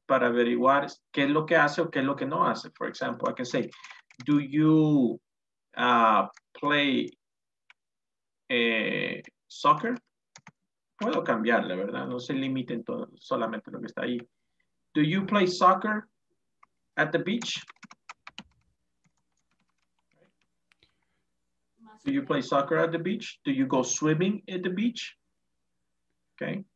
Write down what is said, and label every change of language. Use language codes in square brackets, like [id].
[es] Para averiguar qué es lo que hace o qué es lo que no hace. [en] For example, I can say, do you play soccer? [es] Puedo cambiarle, ¿verdad? No se limiten todo, solamente lo que está ahí. [en] Do you play soccer at the beach? Do you play soccer at the beach? Do you go swimming at the beach? Okay.